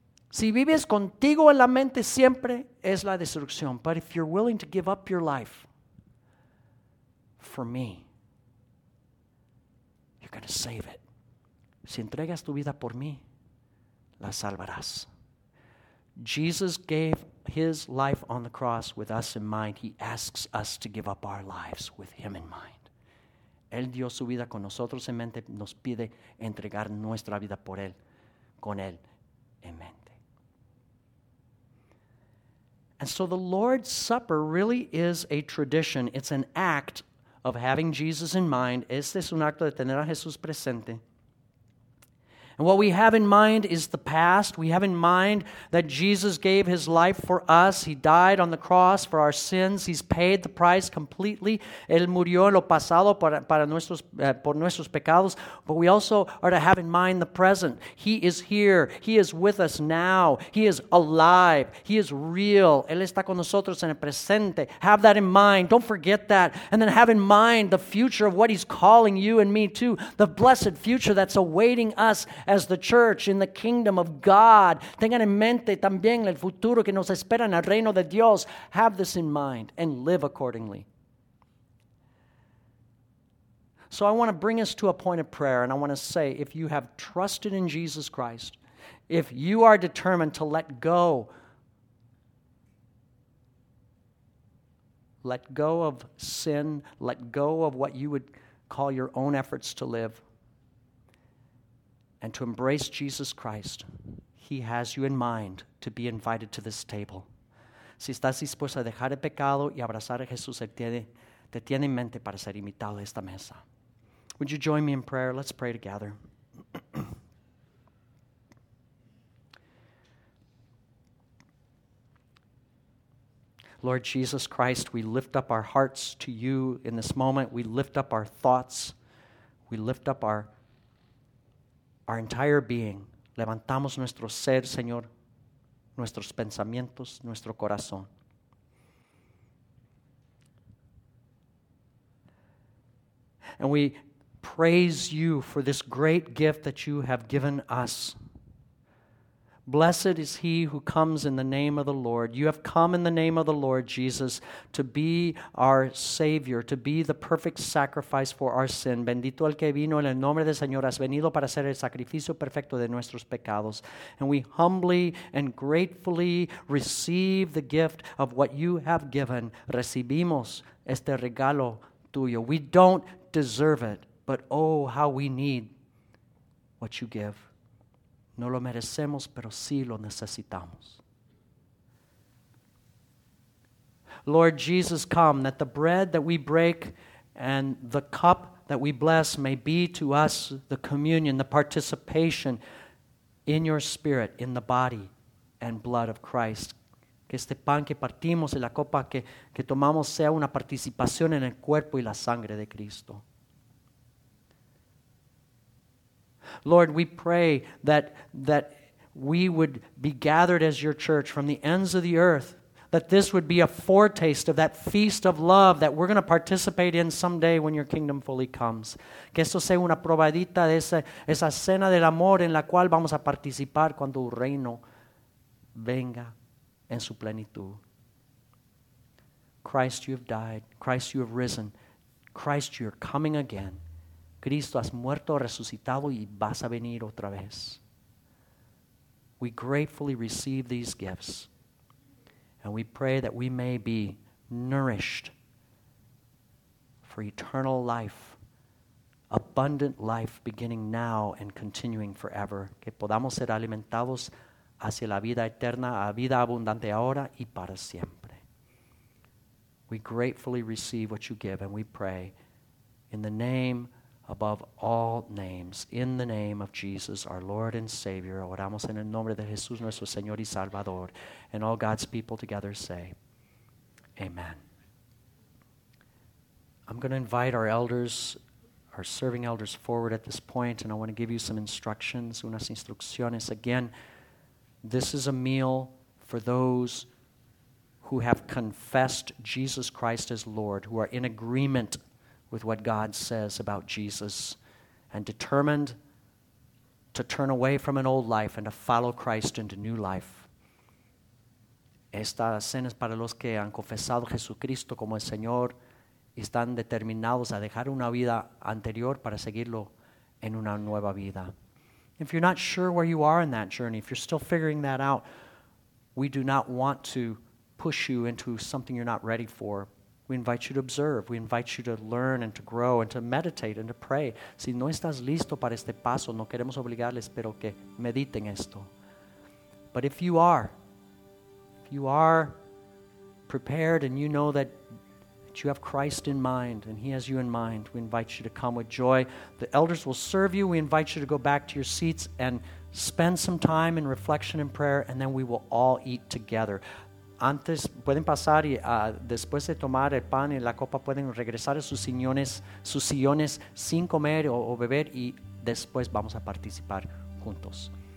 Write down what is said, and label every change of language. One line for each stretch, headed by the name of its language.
Spanish: Si vives contigo en la mente siempre, es la destrucción.
English: But if you're willing to give up your life for me, you're going to save it.
Spanish: Si entregas tu vida por mí, la salvarás.
English: Jesus gave his life on the cross with us in mind. He asks us to give up our lives with him in mind.
Spanish: Él dio su vida con nosotros en mente. Nos pide entregar nuestra vida por él, con él en mente.
English: And so the Lord's Supper really is a tradition. It's an act of having Jesus in mind.
Spanish: Este es un acto de tener a Jesús presente.
English: And what we have in mind is the past. We have in mind that Jesus gave his life for us. He died on the cross for our sins. He's paid the price completely.
Spanish: Él murió en lo pasado por nuestros pecados.
English: But we also are to have in mind the present. He is here. He is with us now. He is alive. He is real.
Spanish: Él está con nosotros en el presente.
English: Have that in mind. Don't forget that. And then have in mind the future of what he's calling you and me to. The blessed future that's awaiting us as the church in the kingdom of God.
Spanish: Tengan en mente también el futuro que nos espera en el reino de Dios.
English: Have this in mind and live accordingly. So I want to bring us to a point of prayer, and I want to say, if you have trusted in Jesus Christ, if you are determined to let go of sin, let go of what you would call your own efforts to live, and to embrace Jesus Christ, he has you in mind to be invited to this table.
Spanish: Si estás dispuesto a dejar el pecado y abrazar a Jesús, te tiene en mente para ser invitado a esta mesa.
English: Would you join me in prayer? Let's pray together. Lord Jesus Christ, we lift up our hearts to you in this moment. We lift up our thoughts. We lift up our entire being.
Spanish: Levantamos nuestro ser, Señor, nuestros pensamientos, nuestro corazón.
English: And we praise you for this great gift that you have given us. Blessed is he who comes in the name of the Lord. You have come in the name of the Lord, Jesus, to be our Savior, to be the perfect sacrifice for our sin.
Spanish: Bendito el que vino en el nombre del Señor. Has venido para ser el sacrificio perfecto de nuestros pecados.
English: And we humbly and gratefully receive the gift of what you have given.
Spanish: Recibimos este regalo tuyo.
English: We don't deserve it, but oh, how we need what you give.
Spanish: No lo merecemos, pero sí lo necesitamos.
English: Lord Jesus, come, that the bread that we break and the cup that we bless may be to us the communion, the participation in your spirit, in the body and blood of Christ.
Spanish: Que este pan que partimos y la copa que tomamos sea una participación en el cuerpo y la sangre de Cristo.
English: Lord, we pray that we would be gathered as your church from the ends of the earth, that this would be a foretaste of that feast of love that we're going to participate in someday when your kingdom fully comes.
Spanish: Que esto sea una probadita de esa cena del amor en la cual vamos a participar cuando tu reino venga en su plenitud.
English: Christ, you have died. Christ, you have risen. Christ, you're coming again.
Spanish: Cristo, has muerto, resucitado y vas a venir otra vez.
English: We gratefully receive these gifts and we pray that we may be nourished for eternal life, abundant life beginning now and continuing forever.
Spanish: Que podamos ser alimentados hacia la vida eterna, a vida abundante ahora y para siempre.
English: We gratefully receive what you give and we pray in the name above all names, in the name of Jesus, our Lord and Savior,
Spanish: oramos en el nombre de Jesús, nuestro Señor y Salvador,
English: and all God's people together say, Amen. I'm going to invite our elders, our serving elders, forward at this point, and I want to give you some instructions,
Spanish: unas instrucciones.
English: Again, this is a meal for those who have confessed Jesus Christ as Lord, who are in agreement with what God says about Jesus and determined to turn away from an old life and to follow Christ into new life.
Spanish: Esta cena es para los que han confesado Jesucristo como el Señor y están determinados a dejar una vida anterior para seguirlo en una nueva vida.
English: If you're not sure where you are in that journey, if you're still figuring that out, we do not want to push you into something you're not ready for. We invite you to observe. We invite you to learn and to grow and to meditate and to pray.
Spanish: Si no estás listo para este paso, no queremos obligarles, pero que mediten esto.
English: But if you are prepared and you know that you have Christ in mind and he has you in mind, we invite you to come with joy. The elders will serve you. We invite you to go back to your seats and spend some time in reflection and prayer, and then we will all eat together.
Spanish: Antes pueden pasar y después de tomar el pan y la copa pueden regresar a sus sillones sin comer o beber y después vamos a participar juntos.